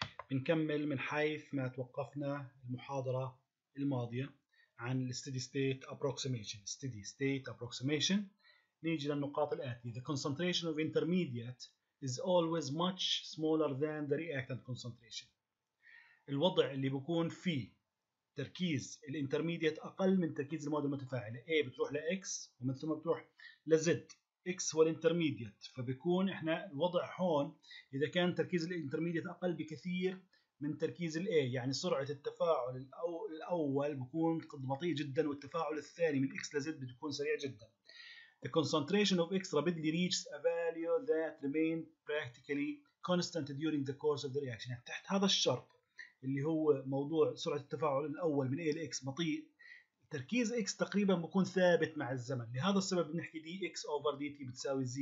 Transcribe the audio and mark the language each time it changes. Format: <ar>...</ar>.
<ar>بنكمل من حيث ما توقفنا المحاضرة الماضية عن steady state approximation. steady state approximation. نيجي للنقاط الآتية.</ar> <en>The concentration of intermediate is always much smaller than the reactant concentration.</en> <ar>الوضع اللي بكون فيه تركيز الانترميديت أقل من تركيز المواد المتفاعلة. A بتروح ل X ومن ثم بتروح ل Z. X والانترميديت. فبكون إحنا الوضع هون إذا كان تركيز الانترميديت أقل بكثير من تركيز الـ A، يعني سرعة التفاعل الأول بكون قد بطيء جدا والتفاعل الثاني من X ل Z بتكون سريع جدا.</ar> <en>The concentration of X rapidly reaches a value that remains practically constant during the course of the reaction.</en> <ar>يعني تحت هذا الشرط اللي هو موضوع سرعة التفاعل الأول من A ل X بطيء، تركيز X تقريبا بكون ثابت مع الزمن. لهذا السبب بنحكي dx over dt بتساوي 0.</ar>